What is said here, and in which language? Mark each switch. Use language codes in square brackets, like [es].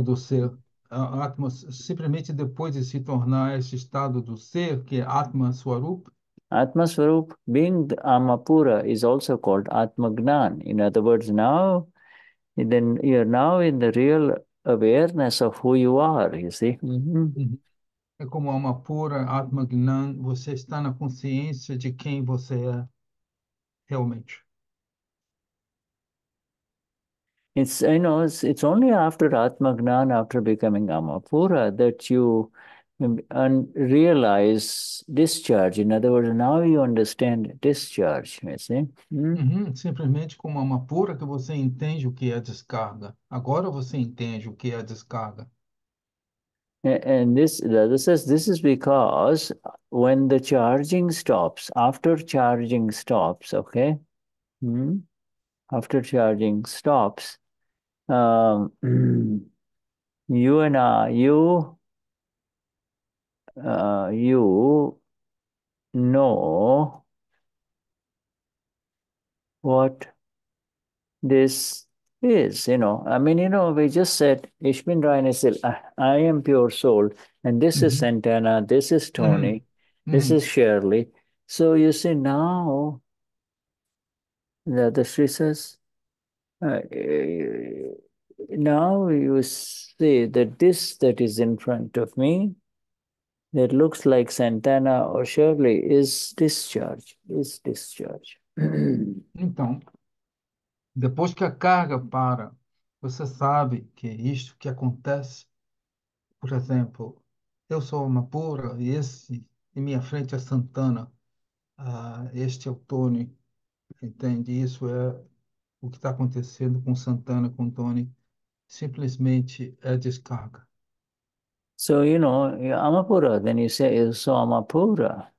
[pt] do ser, Atma, simplesmente depois de se tornar esse estado do ser, que é Atma Swarup. [en] Atma Swarup, being the Amapura, is also called Atma Gnan. In other words, now, then you're now in the real awareness of who you are, you see? [pt] É como alma pura, Atma Gnan, você está na consciência de quem você é realmente. [en] It's only after Atma Gnana, after becoming Amapura, that you realize discharge. In other words, now you understand discharge, you see? [pt] Simplesmente como alma pura que você entende o que é descarga. Agora você entende o que é descarga. [en] And this is because when the charging stops, after charging stops, okay? After charging stops, you and I, you know what this is. We just said, [de] Ich bin reines Seele, [en] I am pure soul, and this is Santana, this is Tony, this is Shirley. So you see now that the Sri says, now you see that this that is in front of me, that looks like Santana or Shirley, is discharge. [pt] Então, depois que a carga para, você sabe que isto que acontece, por exemplo, eu sou uma pura, e esse, em minha frente é Santana, este é o Tony, entende? Isso é o que está acontecendo com Santana, com Tony, simplesmente é descarga. [en] So, Amapura, then you say, you saw Amapura.